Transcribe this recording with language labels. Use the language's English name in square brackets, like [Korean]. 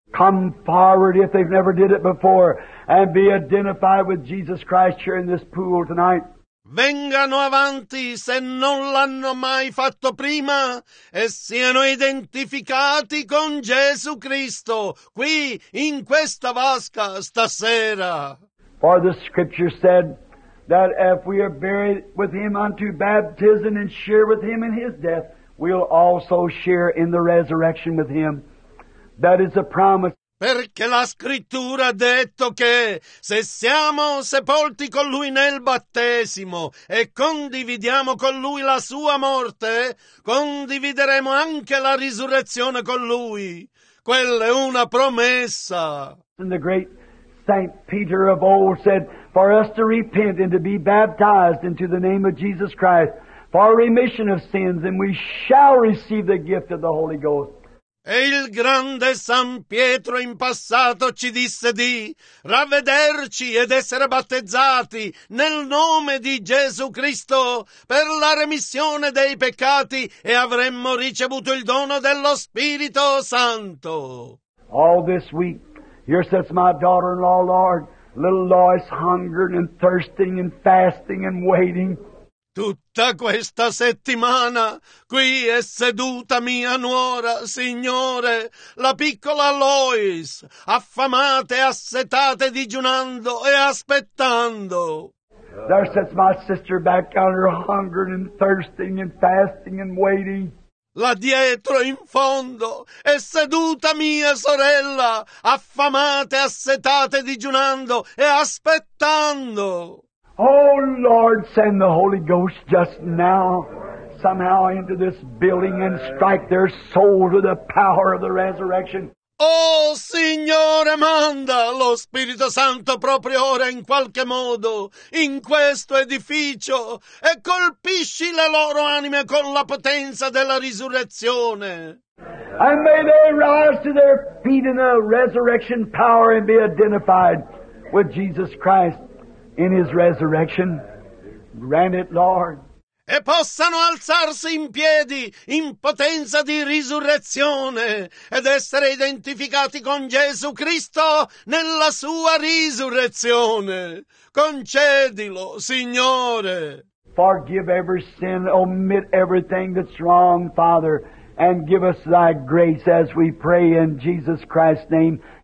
[English] Come forward if they've never did it before, and be identified with Jesus Christ here in this pool tonight. [Italian] Vengano avanti se non l'hanno mai fatto prima e siano identificati con Gesù Cristo qui in questa vasca stasera. [English] For the scripture said that if we are buried with him unto baptism and share with him in his death, we'll also share in the resurrection with him. That is a promise. [Italian] Perché la scrittura ha detto che se siamo sepolti con lui nel battesimo e condividiamo con lui la sua morte, condivideremo anche la risurrezione con lui. Quella è una promessa. [English] And the great Saint Peter of old said, for us to repent and to be baptized into the name of Jesus Christ for remission of sins, and we shall receive the gift of the Holy Ghost. [Italian] E il grande San Pietro in passato ci disse di ravvederci ed essere battezzati nel nome di Gesù Cristo per la remissione dei peccati e avremmo ricevuto il dono dello Spirito Santo. [English] All this week, here sits my daughter-in-law, Lord, little Lois hungering and thirsting and fasting and waiting. [Italian] Tutta questa settimana qui è seduta mia nuora, Signore, la piccola Lois, affamata e assetata, digiunando e aspettando. [English] There sits my sister back under hungering and thirsting and fasting and waiting. [Italian] Là dietro in fondo è seduta mia sorella, affamata e assetata, digiunando e aspettando. [English] Oh, Lord, send the Holy Ghost just now somehow into this building and strike their soul to the power of the resurrection. [Italian] Oh, Signore, manda lo Spirito Santo proprio ora in qualche modo in questo edificio e colpisci le loro anime con la potenza della risurrezione. [English] And may they rise to their feet in the resurrection power and be identified with Jesus Christ in his resurrection. Grant it, Lord. [Italian] E possano alzarsi in piedi in potenza di risurrezione ed essere identificati con Gesù Cristo nella sua risurrezione. Concedilo, Signore. [English] Forgive every sin, omit everything that's wrong, Father, and give us thy grace as we pray in Jesus Christ's name.